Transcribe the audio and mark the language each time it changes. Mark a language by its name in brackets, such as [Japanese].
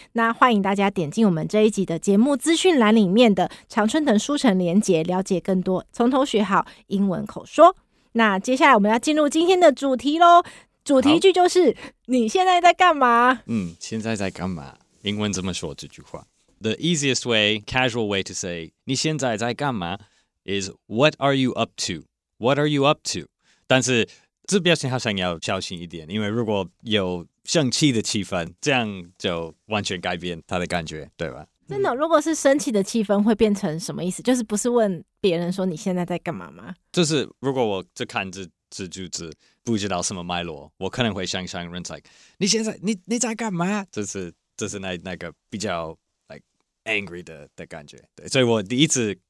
[Chinese] 那欢迎大家点进我们这一集的节目资讯栏里面的常春藤书城连结，了解更多从头学好英文口说。那接下来我们要进入今天的主题咯，主题句就是你现在在干嘛。现在在干嘛，英文怎么说这句话？ [English] The easiest way, casual way to say [Chinese] 你现在在干嘛 [English] is What are you up to? What are you up to? [Chinese] 但是这表情好像要小心一点，因为如果有生气的气氛，这样就完全改变他的感觉，对吧？真的，如果是生气的气氛会变成什么意思？就是不是问别人说你现在在干嘛吗？就是如果我就看这句子不知道什么脉络，我可能会想象人 like 你现在 你在干嘛，就是那个比较angry 的感觉，对，所以我第一次